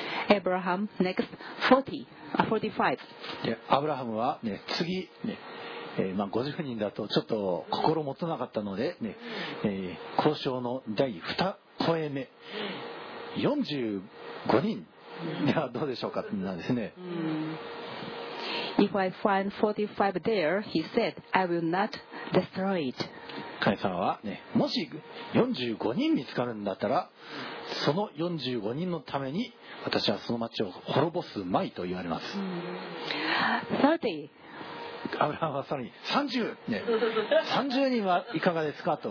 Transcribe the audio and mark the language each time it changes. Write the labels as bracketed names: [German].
[English] アブラハム next 45。 [Japanese] アブラハムは、ね、次、ねまあ、50人だとちょっと心もとなかったので、ね交渉の第2声目45人ではどうでしょうかなんですね。 [English] If I find 45 there, he said, I will not destroy it. [Japanese] 神様は、ね、もし45人見つかるんだったら、その45人のために私はその町を滅ぼすまいと言われます。 [English] 30. [Japanese] アブラハムはさらに30、ね、30人はいかがですかと。